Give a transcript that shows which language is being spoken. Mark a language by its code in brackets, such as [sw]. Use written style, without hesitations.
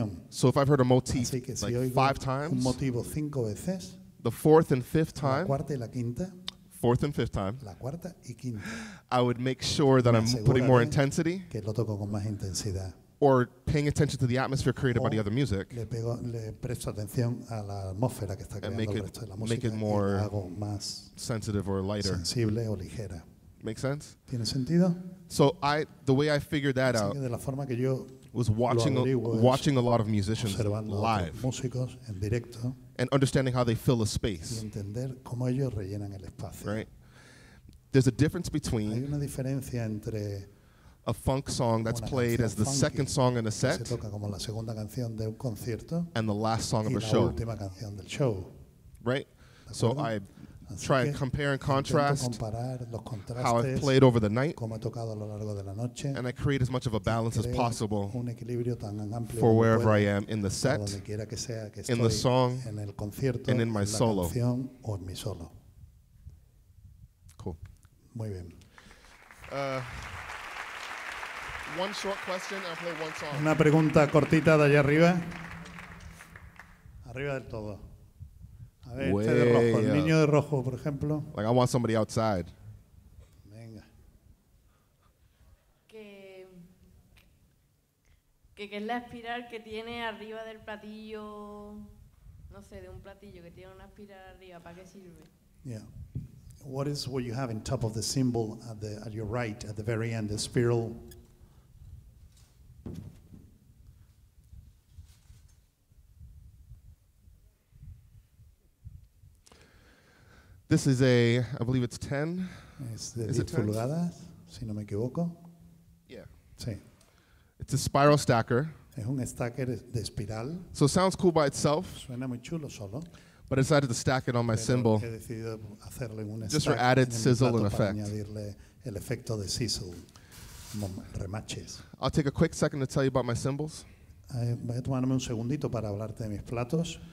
[en] So if I've heard a motif like five times, the fourth and fifth time, [es] la cuarta y quinta, [en] I would make sure that I'm putting more intensity [es] que lo toco con más intensidad, [en] or paying attention to the atmosphere created by the other music [es] le presto atención a la atmósfera que está [en] and make it, [es] el resto de la música, [en] make it more [es] hago más [en] sensitive or lighter. [es] Sensible o ligera. [en] Make sense? [es] ¿Tiene sentido? [en] So the way I figured that [es] así [en] out [es] de la forma que yo [en] was watching a lot of musicians live. [es] Músicos en directo, [en] and understanding how they fill a space. [es] Y entender cómo ellos rellenan el espacio. [en] Right? There's a difference between [es] hay una diferencia entre [en] a funk song that's played as the second song in a set [es] se toca como la segunda canción de un concierto [en] and the last song [es] y [en] of a [es] la [en] show. [es] Última canción del show. [en] Right? So I [es] así [en] try and compare and contrast [es] comparar los contrastes [en] how I've played over the night [es] cómo he tocado a lo largo de la noche [en] and I create as much of a balance as possible [es] un equilibrio tan amplio [en] for wherever I am in the set, [es] donde quiera que sea que estoy, [en] in the song, [es] en el concierto, [en] and in my [es] en la [en] solo. [es] Canción, o en mi solo. [en] Cool. [es] Muy bien. [en] One short question, I'll play one song. [es] Una pregunta cortita de allá arriba. Arriba del todo. A ver, [en] way [es] este de rojo, el niño de rojo, por ejemplo. [en] Like I want somebody outside. [es] Venga. ¿Qué es la espiral que tiene arriba del platillo? No sé, de un platillo que tiene una espiral arriba, ¿para qué sirve? [en] Yeah. What is what you have in top of the symbol at your right, at the very end, the spiral? This is I believe it's 10. [es] Es de 10 pulgadas, si no me equivoco. [en] Yeah. [es] Sí. [en] It's a spiral stacker. [es] Es un stacker de espiral. [en] So it sounds cool by itself. [es] Suena muy chulo solo. [en] But I decided to stack it on my cymbal. [es] He decidido hacerle un [en] just for added [es] en [en] sizzle and [es] para [en] effect. [es] Añadirle el efecto de sizzle, como remaches. [en] I'll take a quick second to tell you about my cymbals. [es] Voy a tomarme un segundito para hablarte de mis platos.